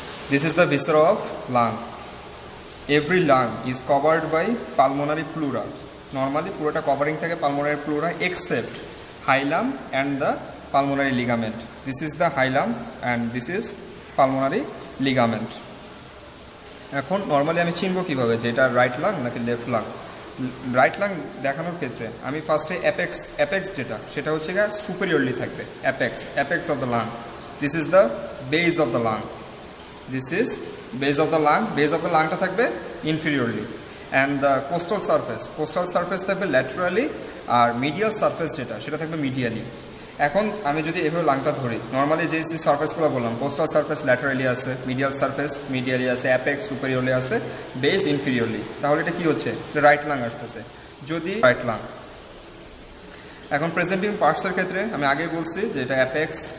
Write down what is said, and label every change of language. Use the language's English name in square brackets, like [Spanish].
[English] This is the viscera of lung. Every lung is covered by pulmonary pleura. Normally, pleura covering the pulmonary pleura except hilum and the pulmonary ligament. This is the hilum and this is pulmonary ligament. [Bangla] এখন normally আমি চিনবো কিভাবে যে এটা right lung নাকি left lung. Right lung দেখানোর ক্ষেত্রে আমি ফার্স্টে apex যেটা সেটা হচ্ছে গা superiorly থাকবে [English] apex of the lung. This is the base of the lung. This is base of the lung. Base of the lung টা থাকবে inferiorly. And the costal surface থাকবে laterally আর medial surface [Bangla] যেটা সেটা থাকবে [English] medially. [Bangla] এখন আমি যদি এভাবে লাংটা ধরি নরমালি যে সার্ফেসগুলো বললাম পোস্টাল সার্ফেস ল্যাটারালি আছে মিডিয়াল সার্ফেস মিডিয়ালি আছে অ্যাপেক্স সুপেরিয়রলি আছে বেস ইনফিরিয়রলি তাহলে এটা কি হচ্ছে রাইট লাং আসতেছে যদি রাইট লাং এখন প্রেজেন্টিং পার্টসের ক্ষেত্রে আমি আগে বলছি যে এটা অ্যাপেক্স